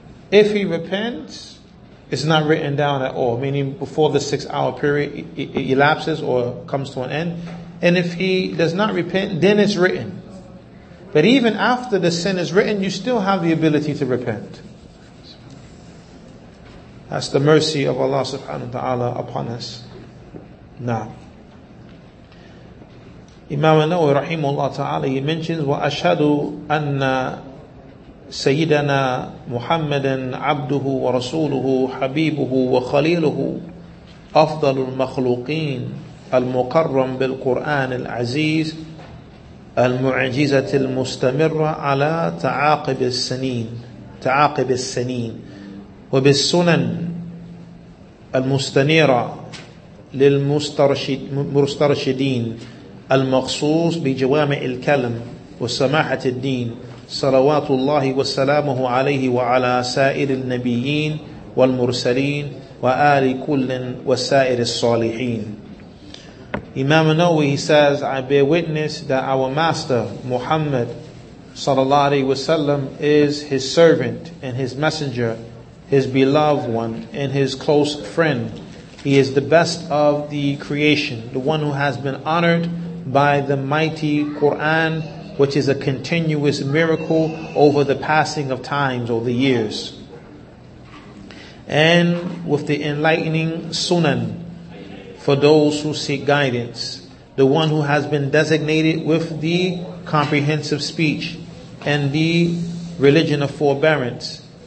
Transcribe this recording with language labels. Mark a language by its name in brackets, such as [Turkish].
[English] If he repents, it's not written down at all, meaning before the 6 hour period it elapses or comes to an end. And if he does not repent, then it's written. But even after the sin is written, you still have the ability to repent. That's the mercy of Allah subhanahu wa ta'ala upon us. Now, Imam An-Nawawi rahimahullah ta'ala, he mentions, [Arabic] وَأَشْهَدُ أَنَّ سَيِّدَنَا مُحَمَّدًا عَبْدُهُ وَرَسُولُهُ حَبِيبُهُ وَخَلِيلُهُ أَفْضَلُ الْمَخْلُوقِينَ الْمُقَرَّمْ بِالْقُرْآنِ الْعَزِيزِ المعجزة المستمرة على تعاقب السنين تعاقب السنين وبالسنن المستنيرة للمسترشدين المخصوص بجوامع الكلم وسماحة الدين صلوات الله وسلامه عليه وعلى سائر النبيين والمرسلين وآل كل وسائر الصالحين. [English] Imam An-Nawawi, he says, I bear witness that our master Muhammad sallallahu alaihi wasallam is his servant and his messenger, his beloved one and his close friend. He is the best of the creation, the one who has been honored by the mighty Quran, which is a continuous miracle over the passing of times or the years, and with the enlightening Sunan for those who seek guidance, the one who has been designated with the comprehensive speech and the religion of forbearance.